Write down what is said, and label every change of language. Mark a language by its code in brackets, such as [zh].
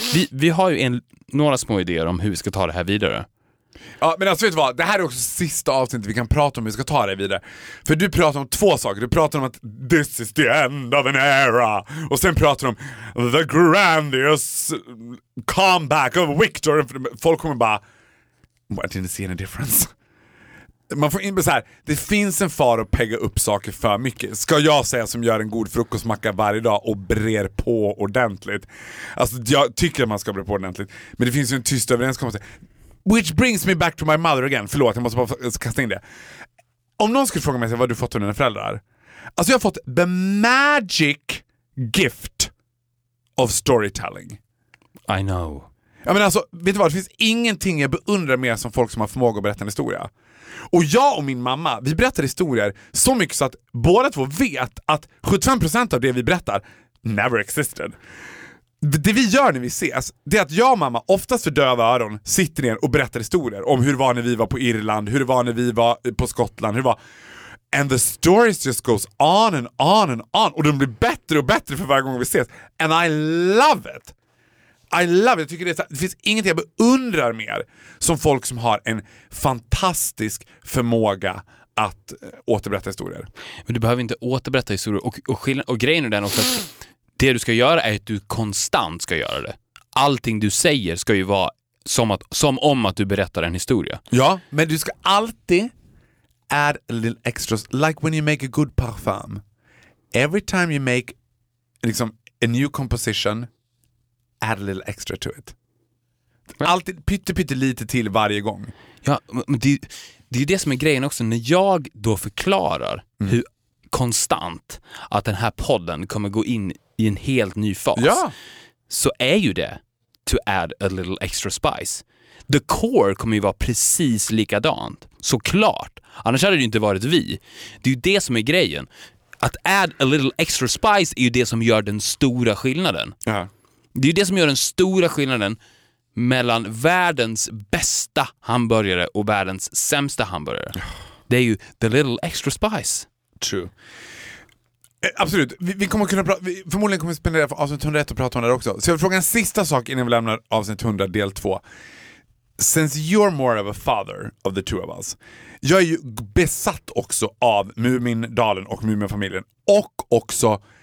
[sv] Vi har ju några små idéer om hur vi ska ta det här vidare. Ja, men alltså vet du vad, det här är också sista avsnittet vi kan prata om hur vi ska ta det vidare. För du pratar om två saker. Du pratar om att [en] this is the end of an era, [sv] och sen pratar du om [en] the grandiose comeback of Victor. [sv] Folk kommer bara, [en] I didn't see any difference. [sv] Man får in så här, det finns en far att pegga upp saker för mycket. Ska jag säga som gör en god frukostmacka varje dag och brer på ordentligt. Alltså jag tycker att man ska bre på ordentligt. Men det finns ju en tyst överenskommelse. [en] Which brings me back to my mother again. [sv] Förlåt, jag måste bara kasta in det. Om någon skulle fråga mig vad du fått av dina föräldrar. Alltså jag har fått [en] the magic gift of storytelling. I know. [sv] Ja, men alltså, vet du vad? Det finns ingenting jag beundrar mer som folk som har förmåga att berätta en historia. Och jag och min mamma, vi berättar historier så mycket så att båda två vet att 75% av det vi berättar [en] never existed. [sv] Det vi gör när vi ses, det är att jag och mamma, oftast för döva öron, sitter ner och berättar historier om hur det var när vi var på Irland, hur det var när vi var på Skottland, hur det var. [en] And the stories just goes on and on and on. [sv] Och de blir bättre och bättre för varje gång vi ses. [en] And I love it. [sv] I love it. Jag tycker det finns inget jag beundrar mer som folk som har en fantastisk förmåga att återberätta historier. Men du behöver inte återberätta historier. Och grejen är den också att det du ska göra är att du konstant ska göra det. Allting du säger ska ju vara som om att du berättar en historia. Ja, men du ska alltid [en] add a little extra. Like when you make a good parfum. Every time you make [sv] liksom, [en] a new composition, add a little extra to it. [sv] Alltid pytte lite till varje gång. Ja, men det är ju det som är grejen också. När jag då förklarar hur konstant att den här podden kommer gå in i en helt ny fas, ja, så är ju det [en] to add a little extra spice. The core [sv] kommer ju vara precis likadant. Såklart. Annars hade det ju inte varit vi. Det är ju det som är grejen. Att [en] add a little extra spice [sv] är ju det som gör den stora skillnaden. Ja. Det är ju det som gör den stora skillnaden mellan världens bästa hamburgare och världens sämsta hamburgare. [en] Det är ju the little extra spice. True. Absolut. [sv] Förmodligen kommer vi spendera för avsnitt 101 och prata om det också. Så jag vill fråga en sista sak innan vi lämnar avsnitt 100 del 2. [en] Since you're more of a father of the two of us. [sv] Jag är ju besatt också av Mumindalen och Muminfamiljen. Och också...